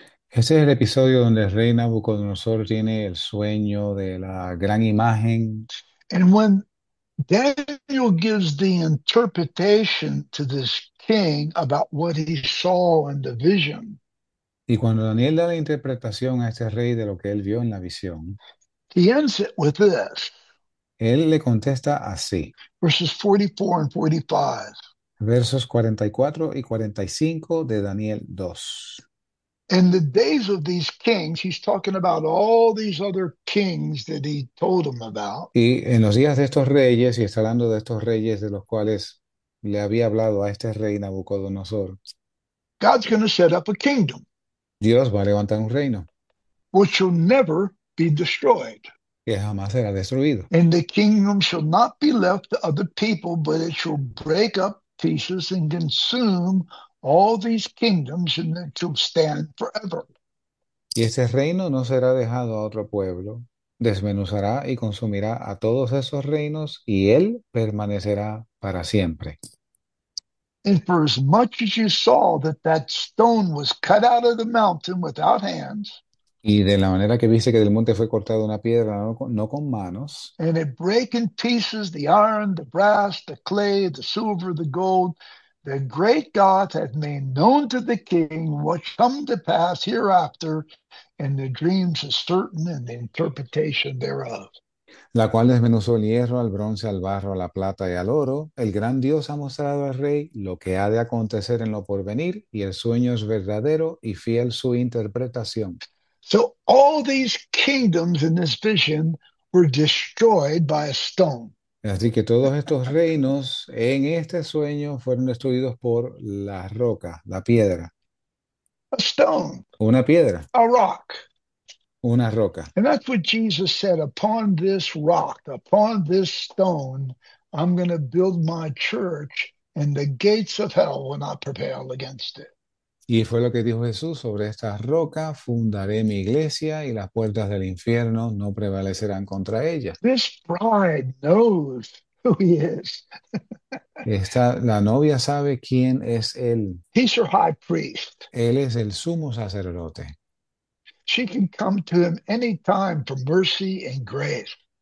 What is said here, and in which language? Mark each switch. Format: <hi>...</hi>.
<es>Ese es el episodio donde el rey Nabucodonosor tiene el sueño de la gran imagen.</es> <en>And when Daniel gives the interpretation to this king about what he saw in the vision,</en> <es>Y cuando Daniel da la interpretación a este rey de lo que él vio en la visión,</es> <en>he ends it with this,</en> <es>él le contesta así.</es> <en>verses 44 and 45.</en> <es>Versos 44 y 45 de Daniel 2.</es> <en>In the days of these kings, he's talking about all these other kings that he told him about.</en> <es>Y en los días de estos reyes, y está hablando de estos reyes de los cuales le había hablado a este rey Nabucodonosor,</es> <en>God's going to set up a kingdom</en> <es>Dios va a levantar un reino</es> <en>which will never be destroyed.</en> <es>que jamás será destruido.</es> <en>And the kingdom shall not be left to other people, but it shall break up pieces and consume all these kingdoms, and it shall stand forever.</en> <es>Y ese reino no será dejado a otro pueblo, desmenuzará y consumirá a todos esos reinos y él permanecerá para siempre.</es> <en>And for as much as you saw that that stone was cut out of the mountain without hands,</en> <es>Y de la manera que viste que del monte fue cortada una piedra, no con manos.</es> <en>and it break in pieces the iron, the brass, the clay, the silver, the gold, the great God had made known to the king what come to pass hereafter, and the dreams are certain and the interpretation thereof.</en> <es>La cual desmenuzó el hierro, al bronce, al barro, a la plata y al oro. El gran Dios ha mostrado al rey lo que ha de acontecer en lo porvenir, y el sueño es verdadero y fiel su interpretación.</es> <en>So all these kingdoms in this vision were destroyed by a stone.</en> <es>Así que todos estos reinos en este sueño fueron destruidos por la roca, la piedra.</es> <en>A stone,</en> <es>Una piedra.</es> <en>a rock.</en> <es>Una roca.</es> <en>And that's what Jesus said, upon this rock, upon this stone, I'm going to build my church, and the gates of hell will not prevail against it.</en> <es>Y fue lo que dijo Jesús: sobre esta roca fundaré mi iglesia y las puertas del infierno no prevalecerán contra ella.</es> <en>This bride knows who he is.</en> <es>La novia sabe quién es él.</es> <en>He's her high priest.</en> <es>Él es el sumo sacerdote.</es> <en>She can come to him anytime for mercy and grace.</en>